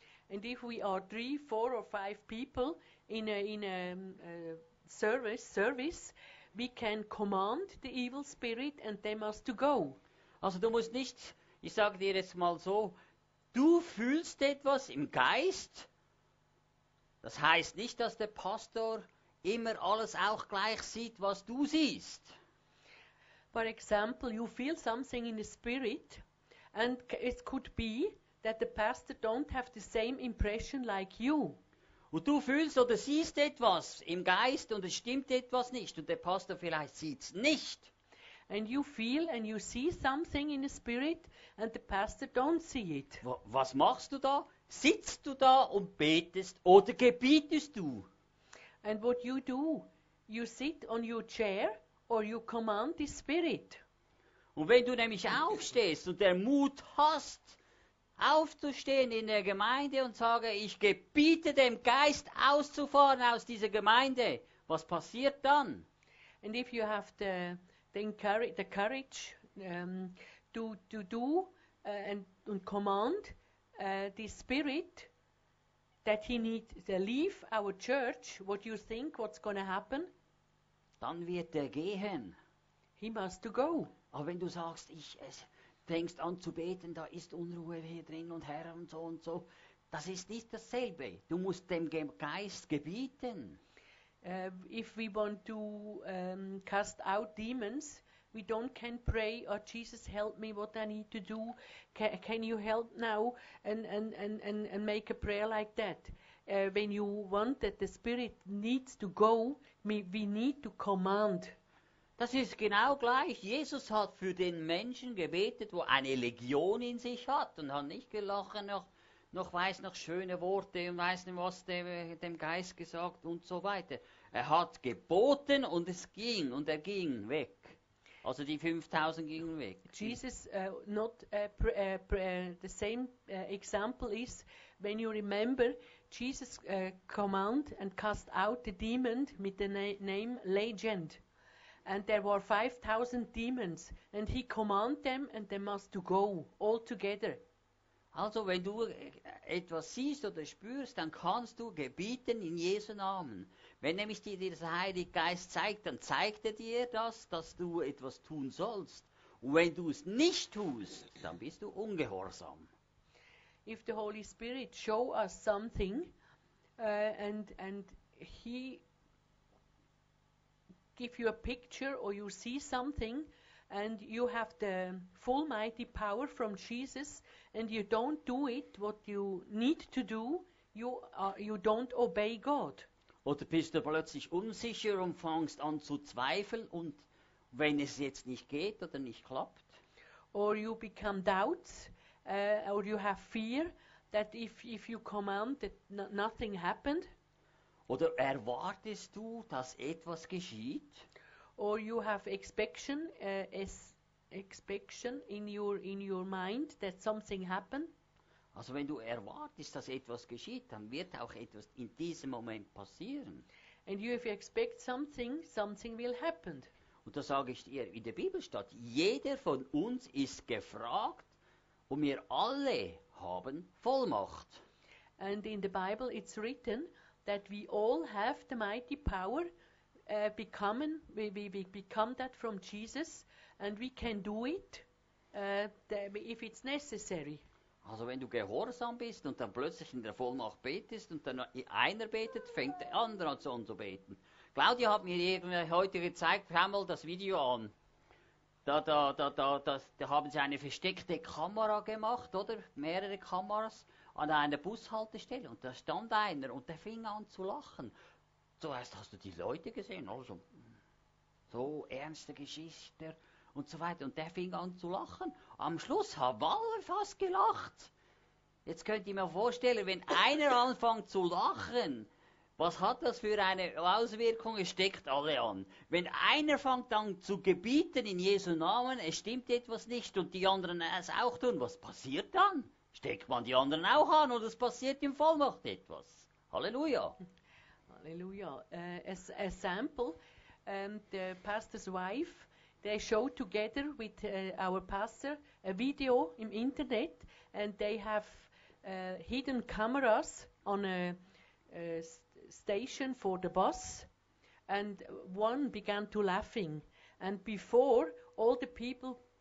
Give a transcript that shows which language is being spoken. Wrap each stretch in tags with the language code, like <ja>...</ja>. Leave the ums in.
<en>And if we are three, four or five people in a, in a, a service, service, we can command the evil spirit and they must to go.</en> <de>Also du musst nicht, ich sage dir jetzt mal so, du fühlst etwas im Geist. Das heißt nicht, dass der Pastor immer alles auch gleich sieht, was du siehst.</de> <en>For example, you feel something in the spirit and it could be that the pastor don't have the same impression like you.</en> <de>Und du fühlst oder siehst etwas im Geist und es stimmt etwas nicht und der Pastor vielleicht sieht's nicht.</de> <en>And you feel and you see something in the spirit and the pastor don't see it.</en> <de>W- was machst du da? Sitzt du da und betest oder gebietest du?</de> <en>And what you do, you sit on your chair or you command the spirit.</en> <de>Und wenn du nämlich aufstehst und den Mut hast, aufzustehen in der Gemeinde und sage, ich gebiete dem Geist auszufahren aus dieser Gemeinde, was passiert dann?</de> <en>And if you have the, the, courage, the courage, um, to, to do, uh, and, and command, Uh, the spirit that he needs to leave our church. What do you think? What's going to happen?</en> <de>Dann wird er gehen.</de> <en>He must to go.</en> <de>Aber wenn du sagst, ich es fängst an pray,"</de> <en>there is unrest</en> <de>ist Unruhe hier drin und Herr und so und so, das ist nicht dasselbe. Du musst dem Ge Geist gebieten.</de> <en>Uh, if we want to um, cast out demons, we don't can pray or Jesus help me what I need to do C can, you help now and, and, and, and, make a prayer like that uh, when you want that the spirit needs to go we, need to command</en> <de>Das ist genau gleich. Jesus hat für den Menschen gebetet, wo eine Legion in sich hat und hat nicht gelachen, noch, noch weiß noch schöne Worte und weiß nicht, was dem, dem Geist gesagt und so weiter. Er hat geboten und es ging und er ging weg. Also die 5000 gingen weg.</de> <en>Jesus uh, not uh, pr- uh, pr- the same example is when you remember Jesus command and cast out the demon with the na- name legend. And there were 5000 demons and he command them and they must to go all together.</en> <de>Also wenn du etwas siehst oder spürst, dann kannst du gebieten in Jesu Namen. Wenn nämlich dir der Heilige Geist zeigt, dann zeigt er dir das, dass du etwas tun sollst. Und wenn du es nicht tust, dann bist du ungehorsam.</de> <en>If the Holy Spirit show us something uh, and, and he give you a picture or you see something and you have the full mighty power from Jesus and you don't do it what you need to do, you, are, you don't obey God.</en> <de>Oder bist du plötzlich unsicher und fängst an zu zweifeln und wenn es jetzt nicht geht oder nicht klappt?</de> <en>Or you become doubts, uh, or you have fear that if, if you command that nothing happened.</en> <de>Oder erwartest du, dass etwas geschieht?</de> <en>Or you have expectation, uh, expectation in your in your mind that something happened.</en> <de>Also wenn du erwartest, dass etwas geschieht, dann wird auch etwas in diesem Moment passieren.</de> <en>And you if you expect something, something will happen.</en> <de>Und da sage ich dir, in der Bibel steht, jeder von uns ist gefragt und wir alle haben Vollmacht. Und in der Bibel ist</de> <en>written that we all have the mighty power uh, wir we, we, we become that from Jesus and we can do it uh, if it's necessary.</en> <de>Also wenn du gehorsam bist und dann plötzlich in der Vollmacht betest und dann einer betet, fängt der andere an zu, beten. Claudia hat mir heute gezeigt, wir haben mal das Video an. Da, da, da, das, da, haben sie eine versteckte Kamera gemacht, oder? Mehrere Kameras an einer Bushaltestelle. Und da stand einer und der fing an zu lachen. So Zuerst hast du die Leute gesehen, also so ernste Geschichten und so weiter. Und der fing an zu lachen. Am Schluss haben alle fast gelacht. Jetzt könnt ihr mir vorstellen, wenn einer anfängt zu lachen, was hat das für eine Auswirkung? Es steckt alle an. Wenn einer fängt dann zu gebieten in Jesu Namen, es stimmt etwas nicht und die anderen es auch tun, was passiert dann? Steckt man die anderen auch an und es passiert im Fall Vollmacht etwas. Halleluja. Halleluja.</de> <en>Uh, as, as sample, and pastor's wife they show together with uh, our pastor a video in internet and they have uh, hidden cameras on a, a st- station for the bus and one began to laughing and before all the people</en>